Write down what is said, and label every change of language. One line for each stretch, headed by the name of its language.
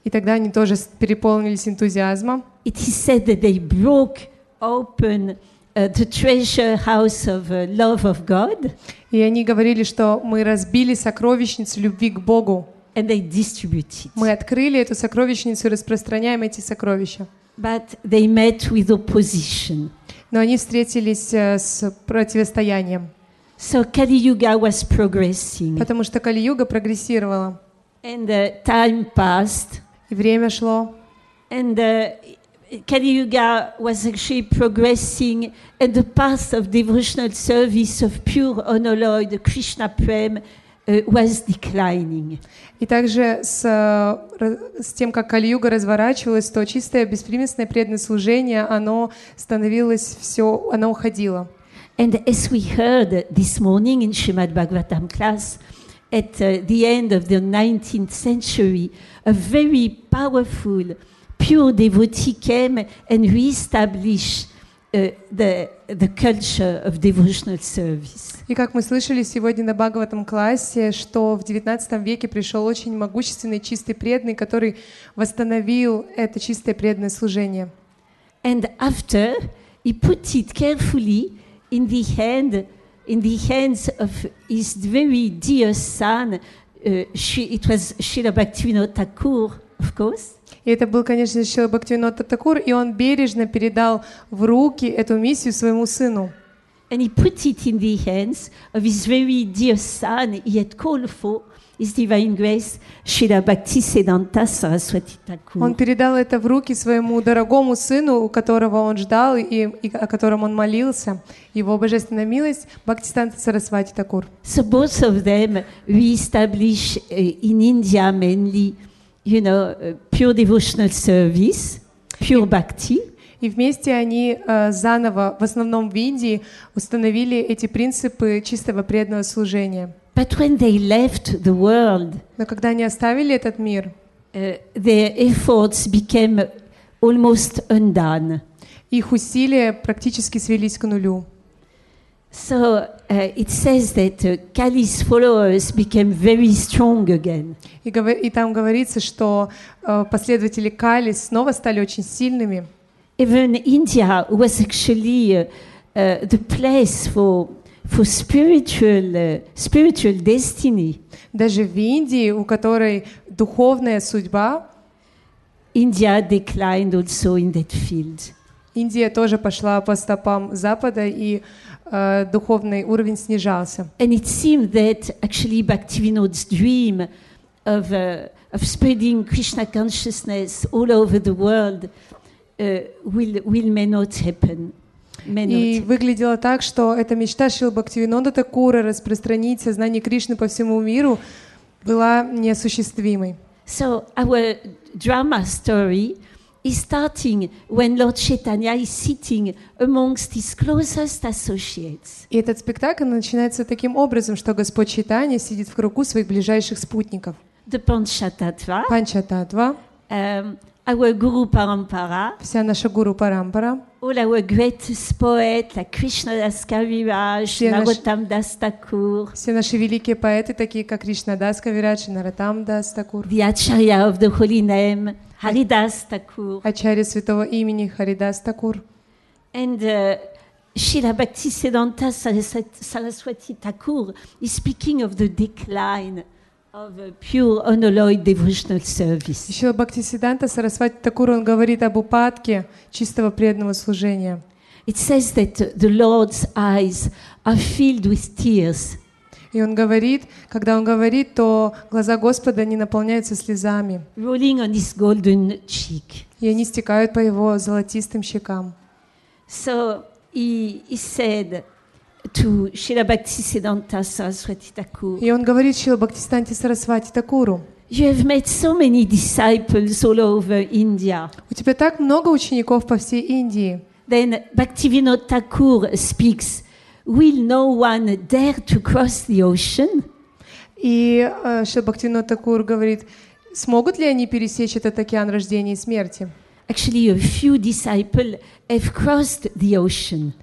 Russian: И тогда они тоже переполнились энтузиазмом.
English: It is said that they broke open the treasure house of love of God.
Russian: И они говорили, что мы разбили сокровищницу любви к Богу.
English: And they distributed.
Russian: Мы открыли эту сокровищницу и распространяем эти сокровища.
English: But they met with opposition.
Russian: Но они встретились с противостоянием.
English: So Kali-Yuga was progressing.
Russian: Потому что Кали-Юга прогрессировала.
English: And time passed.
Russian: И время шло.
English: And Kali-Yuga was actually progressing and the path of devotional service of pure unalloyed Krishna Prem was declining.
Russian: И также с тем, как Кали-Юга разворачивалась, то чистое беспримесное преданное служение, оно становилось все, оно уходило.
English: And as we heard this morning in Srimad Bhagavatam class, at the end of the 19th century, a very powerful, pure devotee came and re-established the culture of devotional service.
Russian: И как мы слышали сегодня на Бхагаватам классе, что в 19 веке пришел очень могущественный чистый преданный, который восстановил это чистое преданное служение.
English: And after he put it carefully in the hand, in the hands of his very dear son, it was Srila Bhaktivinoda Thakur, of course.
Russian: И это был, конечно, Шрила Бхактивинода Такур, и он бережно передал в руки эту миссию своему сыну.
English: And he put it in the hands of his very dear son, he had called for his divine grace, Srila Bhaktisiddhanta Saraswati Thakur.
Russian: Он передал это в руки своему дорогому сыну, которого он ждал и о котором он молился, его божественная милость, Бхактисиддханта Сарасвати Такур.
English: So both of them we established in India mainly, you know, pure devotional service, pure bhakti.
Russian: И вместе они заново, в основном в Индии, установили эти принципы чистого преданного служения.
English: But when they left the world,
Russian: но когда они оставили этот мир,
English: their efforts became almost undone.
Russian: Их усилия практически свелись к нулю.
English: So it says that Kali's followers became very strong again.
Russian: И там говорится, что последователи Кали снова стали очень сильными.
English: Even India was actually the place for spiritual destiny.
Russian: Даже в Индии, у которой духовная судьба,
English: India declined also in that field.
Russian: Индия тоже пошла по стопам Запада и духовный уровень снижался.
English: And it seemed that actually Bhaktivinoda's dream of spreading Krishna consciousness all over the world will may not happen.
Russian: И выглядело так, что эта мечта Шрилы Бхактивинода Такура распространить сознание Кришны по всему миру была неосуществимой.
English: So our drama story is starting when Lord Chaitanya is sitting amongst his closest associates.
Russian: И этот спектакль начинается таким образом, что Господь Чайтанья сидит в кругу своих ближайших спутников.
English: The Panchatattva.
Russian: Панчататва.
English: Our Guru Parampara.
Russian: Вся наша Гуру Парампара.
English: All our greatest poets, like Krishnadas Kaviraj, Narottam Das Thakur.
Russian: Все наши великие поэты, такие как Кришнадас Кавирадж, Нароттам Дас Такур.
English: The Acharya of the Holy Name, Haridas Thakur.
Russian: Ачарья святого имени Haridas Thakur.
English: And Srila Bhaktisiddhanta Saraswati Thakur is speaking of the decline of a pure unalloyed devotional service.
Russian: Шрила Бхактисиддханта Сарасвати Такур говорит об упадке чистого преданного служения.
English: It says that the Lord's eyes are filled with tears.
Russian: И он говорит, когда он говорит, то глаза Господа не наполняются слезами.
English: Rolling on his golden cheek.
Russian: И они стекают по его золотистым щекам.
English: So he said to Srila Bhaktisiddhanta Saraswati Thakur.
Russian: И он говорит Шрила Бхактисиддханте Сарасвати Такуру.
English: You have made so many disciples all over India.
Russian: У тебя так много учеников по всей Индии.
English: Then Bhaktivinoda Thakur speaks. Will no one dare to cross the ocean?
Russian: И Шрила Бхактивинода Такур говорит, смогут ли они пересечь этот океан рождения и смерти?
English: Actually, a few disciples have crossed the ocean.